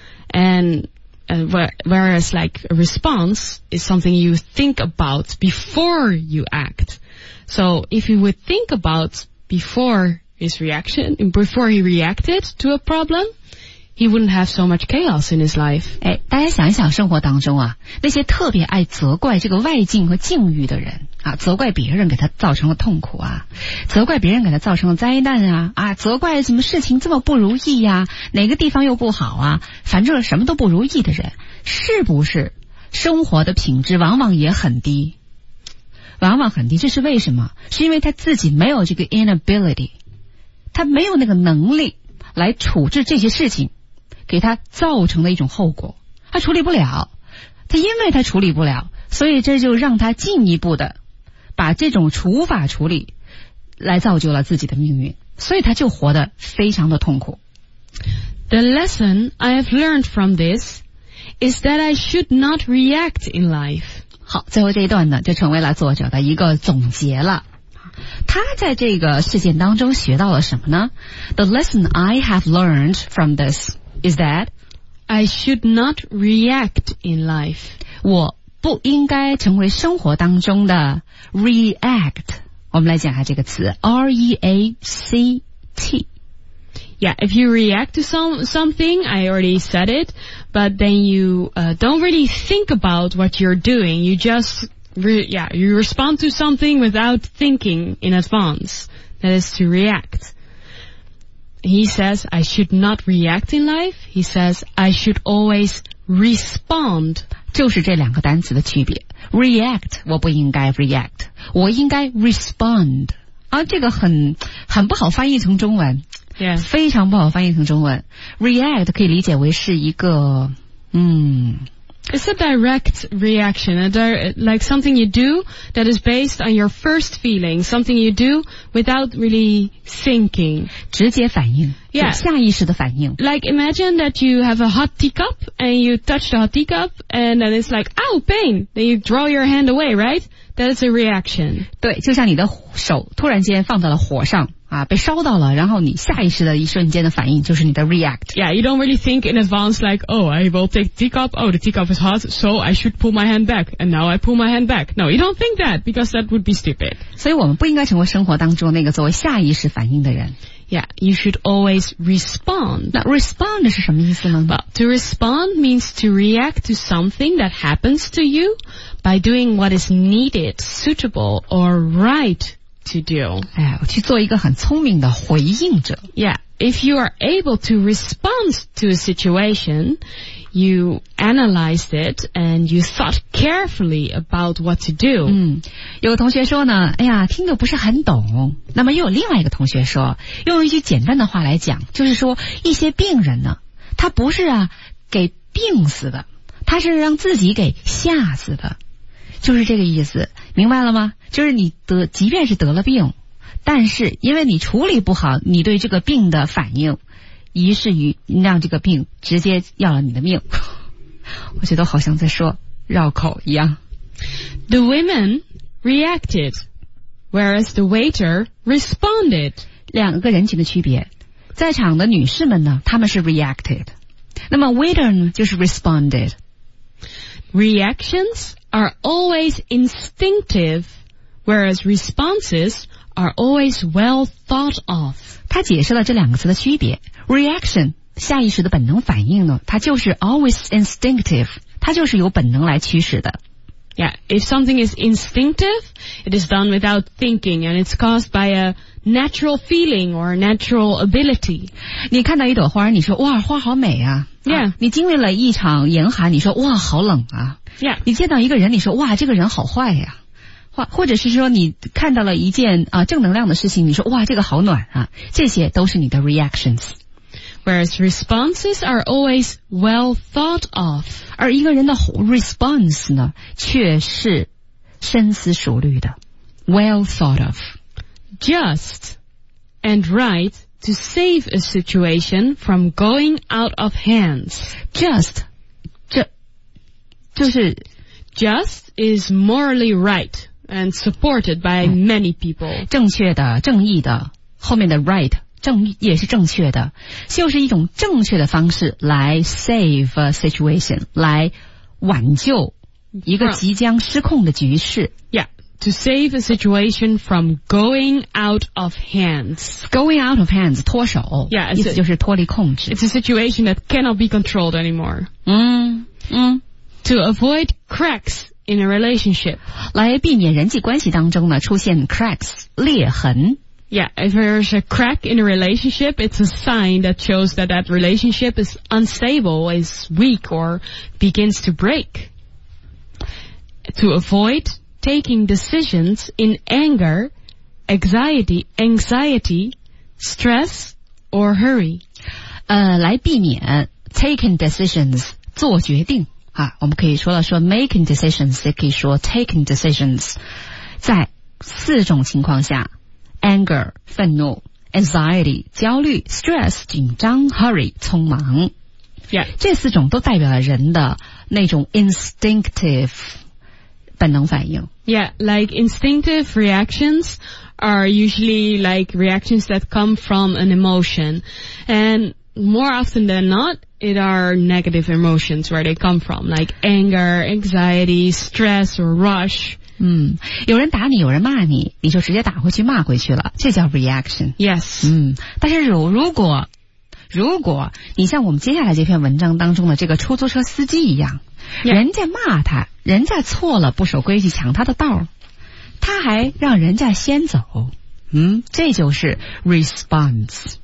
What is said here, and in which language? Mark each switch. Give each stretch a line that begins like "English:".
English: And,whereas like a response is something you think about before you act. So if he would think about before he reacted to a problem, he wouldn't have so much chaos in his life.
Chinese: 哎，大家想一想生活当中啊，那些特别爱责怪这个外境和境遇的人啊，责怪别人给他造成了痛苦啊，责怪别人给他造成了灾难啊，啊，责怪什么事情这么不如意呀、啊，哪个地方又不好啊，反正什么都不如意的人，是不是生活的品质往往也很低？往往很低，这是为什么？是因为他自己没有这个 inability， 他没有那个能力来处置这些事情给他造成的一种后果，他处理不了，他因为他处理不了，所以这就让他进一步的把这种无法处理来造就了自己的命运，所以他就活得非常的痛苦。
English: The lesson I have learned from this is that I should not react in life.
Chinese: 好，最后这一段呢就成为了作者的一个总结了。他在这个事件当中学到了什么呢？
English: The lesson I have learned from this is that I should not react in life.
Chinese: 我不应该成为生活当中的 react。我们来讲一下这个词 REACT。
English: Yeah, if you react to something, I already said it, but then you don't really think about what you're doing. You just You respond to something without thinking in advance. That is to react. He says, I should not react in life. He says, I should always respond.
Chinese: 就是这两个单词的区别。React, 我不应该 react, 我应该 respond. 啊，这个很不好翻译成中文。
English: Yeah.
Chinese: 非常不好翻译成中文。 React 可以理解为是一个
English: It's a direct reaction, like something you do that is based on your first feeling, something you do without really thinking.
Chinese: 直接反应
English: Yeah.
Chinese: 下意识的反应
English: Like imagine that you have a hot teacup and you touch the hot teacup and then it's like, ow, pain. Then you draw your hand away, right? That is a reaction.
Chinese: 对，就像你的手突然间放到了火上啊，被烧到了，然后你下意识的一瞬间的反应就是你的 react.
English: Yeah, you don't really think in advance like, oh, I will take teacup. Oh, the teacup is hot, so I should pull my hand back. And now I pull my hand back. No, you don't think that because that would be stupid.
Chinese: 所以我们不应该成为生活当中那个作为下意识反应的人。
English: Yeah, you should always respond.
Chinese: 那 respond 是什么意思呢？
English: Well, to respond means to react to something that happens to you by doing what is needed, suitable, or right. To do.
Chinese: 哎呀，去做一个很聪明的回应者。
English: Yeah, if you are able to respond to a situation, you analyzed it and you thought carefully about what to do.
Chinese: 有个同学说呢，哎呀，听得不是很懂。那么又有另外一个同学说，用一句简单的话来讲，就是说一些病人呢，他不是啊给病死的，他是让自己给吓死的。就是这个意思，明白了吗？就是你得，即便是得了病，但是因为你处理不好你对这个病的反应，于是于让这个病直接要了你的命。我觉得好像在说绕口一样。
English: The women reacted, whereas the waiter responded.
Chinese: 两个人群的区别，在场的女士们呢，她们是 reacted， 那么 waiter 呢就是 responded。
English: Reactions are always instinctive, whereas responses are always well thought of.
Chinese: 他解释了这两个词的区别。Reaction, 下意识的本能反应呢，它就是
English: always instinctive,
Chinese: 它就是由本能来驱使的。
English: Yeah, if something is instinctive, it is done without thinking, and it's caused by a natural feeling or natural ability.
Chinese: 你看到一朵花，你说哇，花好美啊。
English: Yeah.
Chinese: 你经历了一场严寒，你说哇，好冷啊。
English: Yeah.
Chinese: 你见到一个人，你说哇，这个人好坏呀。或者是说你看到了一件啊正能量的事情，你说哇，这个好暖啊。这些都是你的 reactions。
English: Whereas responses are always well thought of.
Chinese: 而一个人的 response 呢却是深思熟虑的。
English: Well thought of. Just and right to save a situation from going out of hands.
Chinese: Just, 就是
English: Just is morally right and supported by many people.
Chinese: 正确的正义的后面的 right. 正也是正确的，就是一种正确的方式来
English: save a situation，
Chinese: 来挽救一个即将失控的局势。
English: Yeah, to save a situation from going out of hands.
Chinese: Going out of hands， 脱手。
English: Yeah,
Chinese: 意思就是脱离控制。
English: It's a situation that cannot be controlled anymore. To avoid cracks in a relationship，
Chinese: 来避免人际关系当中呢出现 cracks 裂痕。
English: Yeah, if there's a crack in a relationship, it's a sign that shows that that relationship is unstable, is weak, or begins to break. To avoid taking decisions in anger, anxiety, stress, or hurry.
Chinese: 来避免
English: taking decisions,
Chinese: 做决定。啊，我们可以说
English: making decisions,
Chinese: 也可以说
English: taking decisions,
Chinese: 在四种情况下。 Anger, 愤怒 anxiety, 焦虑 stress, 紧张 hurry, 匆忙
English: Yeah.
Chinese: 这四种都代表了人的那种 instinctive 本能反应
English: Yeah, like instinctive reactions are usually like reactions that come from an emotion. And more often than not, it are negative emotions where they come from, like anger, anxiety, stress, or rush.
Chinese: 有人打你有人骂你你就直接打回去骂回去了这叫 reaction
English: Yes
Chinese: 但是如果你像我们接下来这篇文章当中的这个出租车司机一样、
English: yeah.
Chinese: 人家骂他，人家错了不守规矩抢他的道，他还让人家先走，这就是 response。